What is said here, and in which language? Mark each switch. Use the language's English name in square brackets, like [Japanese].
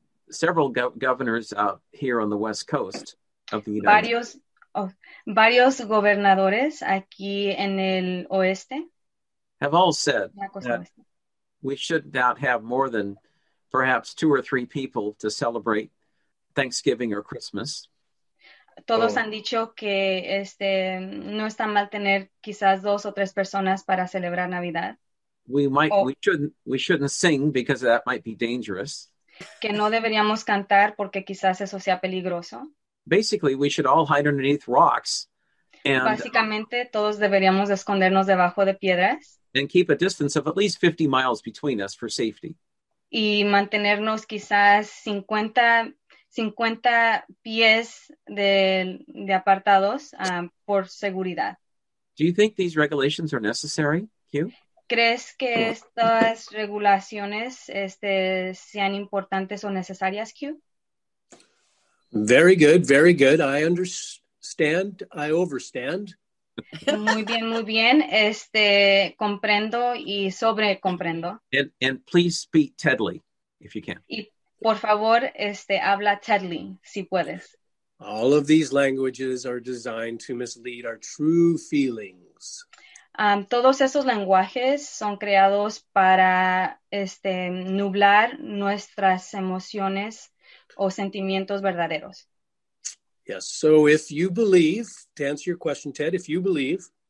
[English] Several governors out here on the West Coast of the United States. [Spanish] Varios gobernadores aquí en el oeste [English] have all said that we should not have more than perhaps 2 or 3 people to celebrate Thanksgiving or Christmas. [Spanish] Todos han dicho que no está mal tener quizás 2 o 3 personas para celebrar Navidad. [English] We shouldn't sing because that might be dangerous. [Spanish] Que no deberíamos cantar porque quizás eso sea peligroso. [English] Basically, we should all hide underneath rocks. And, [Spanish] básicamente, todos deberíamos escondernos debajo de piedras. [English] And keep a distance of at least 50 miles between us for safety. [Spanish] Y mantenernos quizás 50 pies de apartados por seguridad. [English] Do you think these regulations are necessary, Q? [Spanish] ¿Crees que estas regulaciones sean importantes o necesarias, Q? [English] Very good, very good. I understand, I overstand. [Spanish] Muy bien, comprendo y sobre comprendo. [English] And please speak Tedly, if you can. [Spanish] Y por favor, habla Tedly, si puedes. [English] All of these languages are designed to mislead our true feelings. [Spanish] Todos esos lenguajes son creados para nublar nuestras emociones o sentimientos verdaderos. [English] Yes, so if you believe, to answer your question, Ted, if you believe.